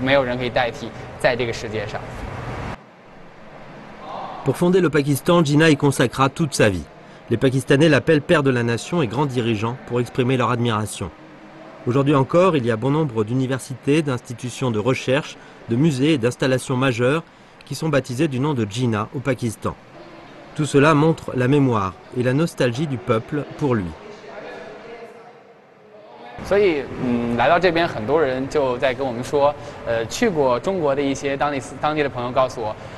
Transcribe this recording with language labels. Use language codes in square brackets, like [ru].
[zh] 像他们的父亲，这是他们的国父一样，所以他说，甄大先生在他心里是独一无二的，因为他认为这是，最伟大，最优秀、最有能力、最说了很多关于甄大先生他心中认为的词语，就是他认为当年他带领了他们的民族、他们的国家走向独立自由，所以这在他心中，他认为甄大先生是非常伟大、非常厉害的，没有人可以代替在这个世界上。 [fr] Pour fonder le Pakistan, Gina y consacra toute sa vie. Les Pakistanais l'appellent père de la nation et grand dirigeant pour exprimer leur admiration. Aujourd'hui encore, il y a bon nombre d'universités, d'institutions de recherche, de musées et d'installations majeures qui sont baptisées du nom de Gina au Pakistan. Tout cela montre la mémoire et la nostalgie du peuple pour lui. [zh] 所以，来到这边，很多人就在跟我们说，去过中国的一些当地的朋友告诉我。